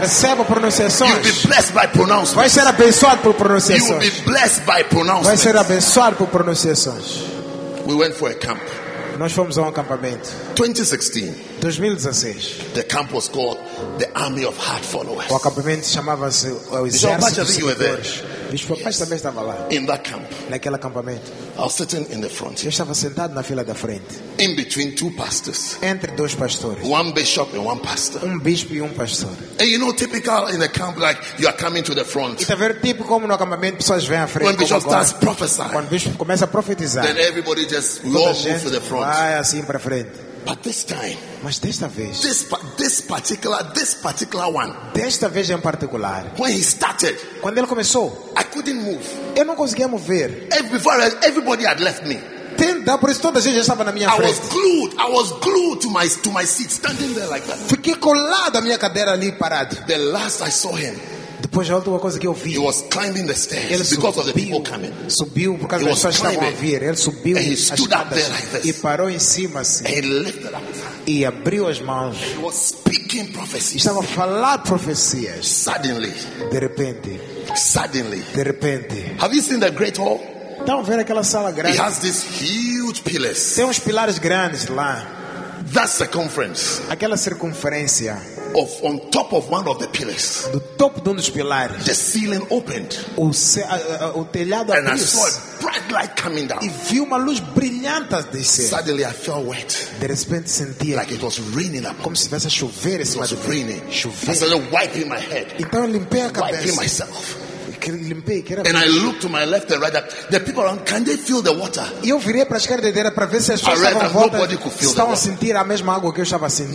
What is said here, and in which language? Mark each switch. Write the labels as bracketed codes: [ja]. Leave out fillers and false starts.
[pt] Receba pronunciações. [en] You'll be blessed by pronouncements. [pt] Vai ser abençoado por pronunciações. [en] You'll be blessed by pronouncements. [pt] Vai ser abençoado por pronunciações. [en] We went for a camp. [pt] Nós fomos a acampamento. [en] 2016. The camp was called the Army of Heart Followers. [pt] O acampamento chamava-se o Exército dos Seguidores. Bispo Paz também estava lá. [en] In that camp. [pt] Naquele acampamento. [en] I was sitting in the front. [pt] Eu estava sentado na fila da frente. [en] In between two pastors. [pt] Entre dois pastores. [en] One bishop and one pastor. [pt] Um bispo e um pastor. [en] And you know, typical in a camp like you are coming to the front. [pt] Está vendo tipo como no acampamento pessoas vêm à frente. [en] When bishop starts prophesying. [pt] Quando bispo começa a profetizar. [en] Then everybody just walks to the front. [pt] Vai assim para frente. [en] But this time, [pt] mas desta vez, [en] this particular one, [pt] desta vez em particular, [en] when he started, [pt] quando ele começou, [en] I couldn't move. [pt] Eu não conseguia mover. [en] Before everybody had left me. [pt] Tenda, por isso toda a gente já estava na minha frente. [en] I was glued to my seat, standing there like that. [pt] Fiquei colado à minha cadeira ali parado. [en] The last I saw him. [pt] Depois a última coisa que eu vi. [en] He was climbing the stairs [pt] ele [en] because [pt] subiu, [en] of the people coming. [pt] Subiu por causa das pessoas que estavam a vir. Ele subiu [en] and he stood [pt] as escadas [en] up there like this. [pt] E parou em cima assim. [en] And he lifted up. [pt] E abriu as mãos. [en] He was speaking prophecies. [pt] Estava a falar profecias. [en] Suddenly. [pt] De repente. [en] Suddenly. [pt] De repente. [en] Have you seen the great hall? [pt] Estão vendo aquela sala grande? [en] He has these huge pillars. [pt] Tem uns pilares grandes lá. [en] That circumference. [pt] Aquela circunferência. [en] of on top of one of the pillars. [pt] Do topo de um dos pilares. [en] The ceiling opened. [pt] O telhado abriu. [en] And I saw a bright light coming down. [pt] E vi uma luz brilhante a descer. [en] Suddenly I felt wet. [pt] De repente senti [en] like it was raining. [pt] Como se estivesse a chover em cima de mim. [en] It was raining. [pt] Chover. [en] I started wiping my head. [pt] Então eu limpei a cabeça. [en] Wiping myself. [pt] Limpei, que era [en] and I looked to my left and right. The people around, can they feel the water? [pt] E eu virei para a esquerda e direita para ver se as pessoas estavam volta. [en] Nobody could feel [pt] estavam a sentir a mesma água que eu estava a sentir.